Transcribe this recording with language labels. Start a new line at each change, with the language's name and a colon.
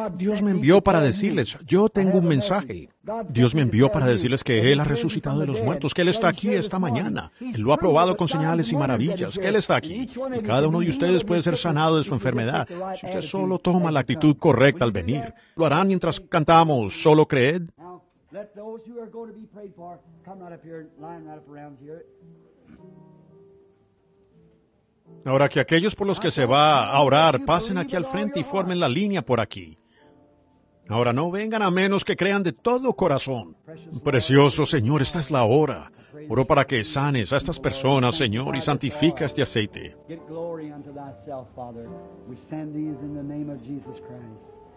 Spanish: Dios me envió para decirles, yo tengo un mensaje. Dios me envió para decirles que Él ha resucitado de los muertos, que Él está aquí esta mañana. Él lo ha probado con señales y maravillas, que Él está aquí. Y cada uno de ustedes puede ser sanado de su enfermedad. Si usted solo toma la actitud correcta al venir, lo harán mientras cantamos, solo creed.
English: Let those who are going to be prayed for come right up here, line right up around here.
Spanish: Ahora que aquellos por los que se va a orar pasen aquí al frente y formen la línea por aquí. Ahora no vengan a menos que crean de todo corazón. Precioso Señor, esta es la hora. Oro para que sanes a estas personas, Señor, y santifica este aceite.
English: Get glory unto thyself, Father. We send these in the name of Jesus Christ.